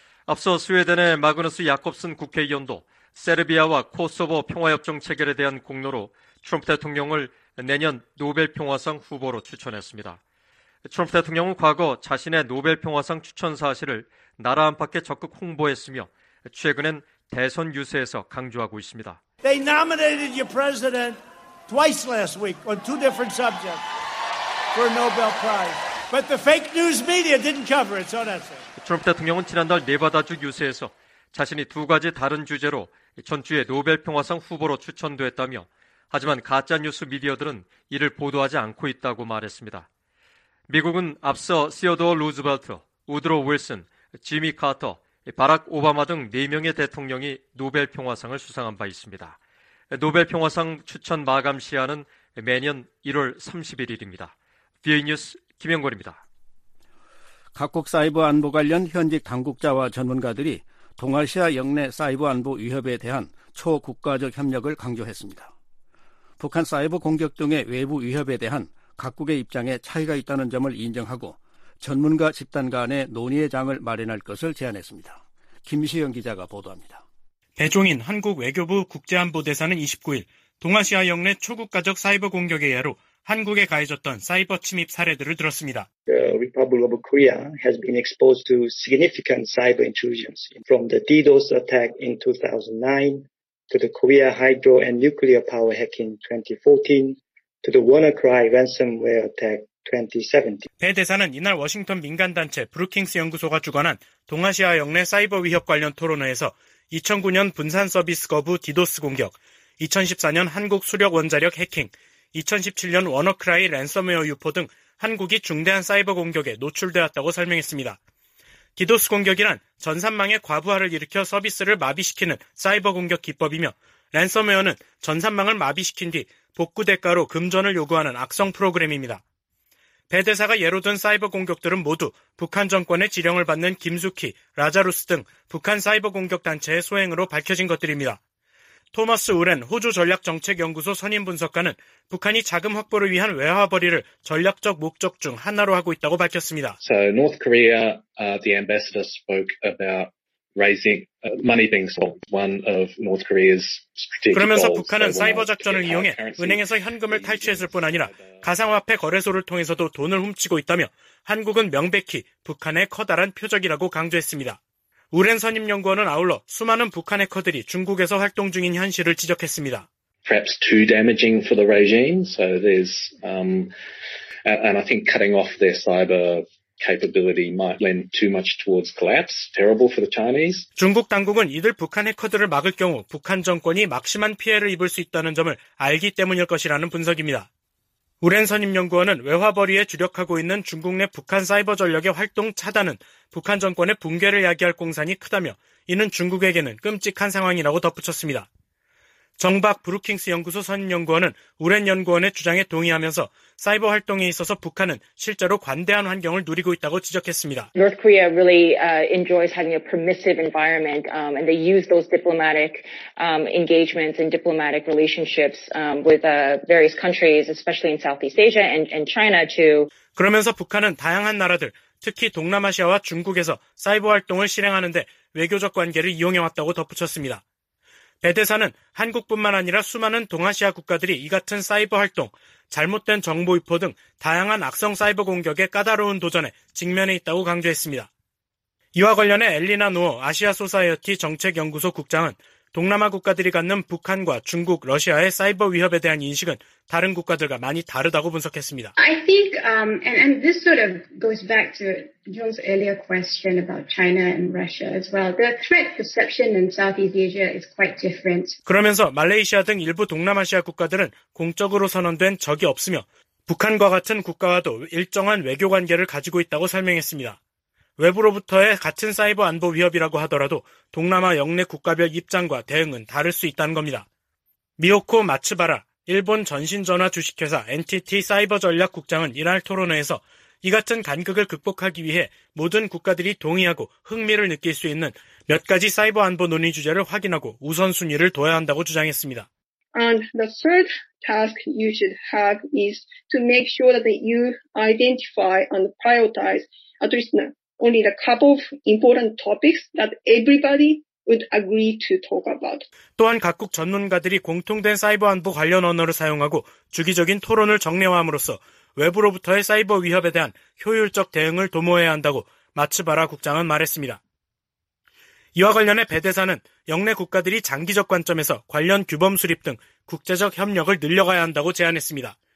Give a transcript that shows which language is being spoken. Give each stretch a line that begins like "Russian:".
Korean: 앞서 스웨덴의 마그누스 야콥슨 국회의원도 세르비아와 코소보 평화협정 체결에 대한 공로로 트럼프 대통령을 내년 노벨평화상 후보로 추천했습니다. 트럼프 대통령은 과거 자신의 노벨평화상 추천 사실을 나라 안팎에 적극 홍보했으며 최근엔 대선 유세에서 강조하고 있습니다.
English: They nominated your president twice last week on two different subjects for a Nobel Prize. But the fake news media didn't cover it, so that's it.
Korean: 트럼프 대통령은 지난달 네바다주 유세에서 자신이 두 가지 다른 주제로 전주의 노벨평화상 후보로 추천됐다며 하지만 가짜뉴스 미디어들은 이를 보도하지 않고 있다고 말했습니다. 미국은 앞서 시어도어 루즈벨트, 우드로 윌슨, 지미 카터, 바락 오바마 등 4명의 대통령이 노벨평화상을 수상한 바 있습니다. 노벨평화상 추천 마감 시한은 매년 1월 31일입니다. VOA 뉴스 김영걸입니다. 각국 사이버 안보 관련 현직 당국자와 전문가들이 동아시아 역내 사이버 안보 위협에 대한 초국가적 협력을 강조했습니다. 북한 사이버 공격 등의 외부 위협에 대한 각국의 입장에 차이가 있다는 점을 인정하고 전문가 집단 간의 논의의 장을 마련할 것을 제안했습니다. 김시영 기자가 보도합니다. 배종인 한국 외교부 국제안보대사는 29일 동아시아 역내 초국가적 사이버 공격에 의하여 한국에 가해졌던 사이버 침입 사례들을 들었습니다. The Republic of Korea has been exposed to significant cyber intrusions from the DDoS attack in 2009 to the Korea hydro and nuclear power hack in 2014 to the WannaCry ransomware attack 2017. 배 대사는 이날 워싱턴 민간단체 브루킹스 연구소가 주관한 동아시아 역내 사이버 위협 관련 토론회에서 2009년 분산 서비스 거부 디도스 공격, 2014년 한국 수력 원자력 해킹, 2017년 워너크라이 랜섬웨어 유포 등 한국이 중대한 사이버 공격에 노출되었다고 설명했습니다. 디도스 공격이란 전산망의 과부하를 일으켜 서비스를 마비시키는 사이버 공격 기법이며 랜섬웨어는 전산망을 마비시킨 뒤 복구 대가로 금전을 요구하는 악성 프로그램입니다. 배 대사가 예로 든 사이버 공격들은 모두 북한 정권의 지령을 받는 김숙희, 라자루스 등 북한 사이버 공격 단체의 소행으로 밝혀진 것들입니다. 토마스 우렌 호주 전략정책연구소 선임 분석가는 북한이 자금 확보를 위한 외화 벌이를 전략적 목적 중 하나로 하고 있다고 밝혔습니다.
English: So North Korea, the ambassador spoke about raising money being stolen. One of North Korea's strategic goals.
Korean: 그러면서 북한은 사이버 작전을 이용해 은행에서 현금을 탈취했을 뿐 아니라 가상화폐 거래소를 통해서도 돈을 훔치고 있다며 한국은 명백히 북한의 커다란 표적이라고 강조했습니다. 우렌 선임 연구원은 아울러 수많은 북한 해커들이 중국에서 활동 중인 현실을 지적했습니다.
English: Perhaps too damaging for the regime. So there's and I think cutting off their cyber capability might lend too much towards collapse. Terrible for the Chinese.
Korean: 중국 당국은 이들 북한 해커들을 막을 경우 북한 정권이 막심한 피해를 입을 수 있다는 점을 알기 때문일 것이라는 분석입니다. 우렌 선임 연구원은 외화벌이에 주력하고 있는 중국 내 북한 사이버 전력의 활동 차단은 북한 정권의 붕괴를 야기할 공산이 크다며 이는 중국에게는 끔찍한 상황이라고 덧붙였습니다. 정박 브루킹스 연구소 선임 연구원은 우렌 연구원의 주장에 동의하면서 사이버 활동에 있어서 북한은 실제로 관대한 환경을 누리고 있다고 지적했습니다.
English: North Korea really enjoys having a permissive environment and they use those diplomatic engagements and diplomatic relationships with various countries especially in Southeast Asia and China to
Korean: 그러면서 북한은 다양한 나라들 특히 동남아시아와 중국에서 사이버 활동을 실행하는데 외교적 관계를 이용해 왔다고 덧붙였습니다. 배 대사는 한국뿐만 아니라 수많은 동아시아 국가들이 이 같은 사이버 활동, 잘못된 정보 유포 등 다양한 악성 사이버 공격에 까다로운 도전에 직면해 있다고 강조했습니다. 이와 관련해 엘리나 노어 아시아 소사이어티 정책연구소 국장은 동남아 국가들이 갖는 북한과 중국, 러시아의 사이버 위협에 대한 인식은 다른 국가들과 많이 다르다고 분석했습니다.
English: I think and this sort of goes back to John's earlier question about China and Russia as well. The threat perception in Southeast Asia is quite different.
Korean: 그러면서 말레이시아 등 일부 동남아시아 국가들은 공적으로 선언된 적이 없으며 북한과 같은 국가와도 일정한 외교 관계를 가지고 있다고 설명했습니다. 외부로부터의 같은 사이버 안보 위협이라고 하더라도 동남아 역내 국가별 입장과 대응은 다를 수 있다는 겁니다. 미오코 마츠바라, 일본 전신전화 주식회사 NTT 사이버 전략 국장은 이날 토론회에서 이 같은 간극을 극복하기 위해 모든 국가들이 동의하고 흥미를 느낄 수 있는 몇 가지 사이버 안보 논의 주제를 확인하고 우선순위를 둬야 한다고 주장했습니다.
English: And the third task you should have is to make sure that you identify and prioritize at least only a couple of important topics that everybody would agree to talk about.
Korean: 또한 각국 전문가들이 공통된 사이버 안보 관련 언어를 사용하고 주기적인 토론을 정례화함으로써 외부로부터의 사이버 위협에 대한 효율적 대응을 도모해야 한다고 마츠바라 국장은 말했습니다. 이와 관련해 배 대사는 영내 국가들이 장기적 관점에서 관련 규범 수립 등 국제적 협력을 늘려가야 한다고 제안했습니다.